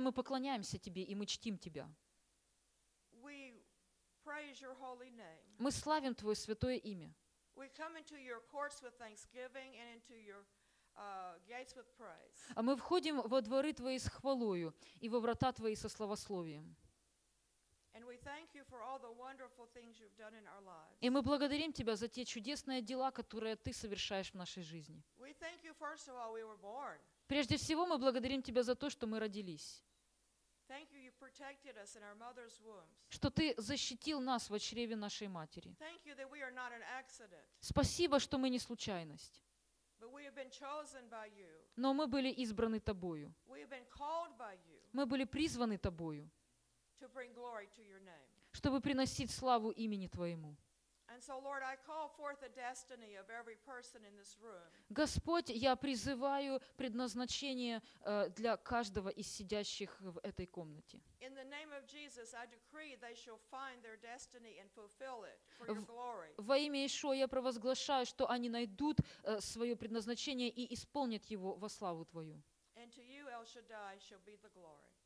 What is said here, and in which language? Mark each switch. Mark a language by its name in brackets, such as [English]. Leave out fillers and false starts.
[Russian] мы поклоняемся Тебе, и мы чтим Тебя. [English] We praise your holy name. [Russian] Мы славим Твое святое имя. [English] We come into your courts with thanksgiving and into your gates with praise. [Russian] Мы входим во дворы Твои с хвалою и во врата Твои со славословием. [English] And we thank you for all the wonderful things you've done in our lives. [Russian] И мы благодарим тебя за те чудесные дела, которые ты совершаешь в нашей жизни. [English] We thank you first of all we were born. [Russian] Прежде всего мы благодарим тебя за то, что мы родились. [English] Thank you protected us in our mother's wombs. [Russian] Что ты защитил нас во чреве нашей матери. [English] Thank you that we are not an accident. [Russian] Спасибо, что мы не случайность. [English] But we have been chosen by you. [Russian] Но мы были избраны тобою. [English] We have been called by you. [Russian] Мы были призваны тобою. [English] To bring glory to your name. [Russian] Чтобы приносить славу имени Твоему. [English] And so, Lord, I call forth the destiny of every person in this room. [Russian] Господь, я призываю предназначение для каждого из сидящих в этой комнате. [English] In the name of Jesus, I decree they shall find their destiny and fulfill it for your glory. [Russian] Во имя Иешуа я провозглашаю, что они найдут свое предназначение и исполнят его во славу Твою. [English] And to you, El Shaddai, shall be the glory.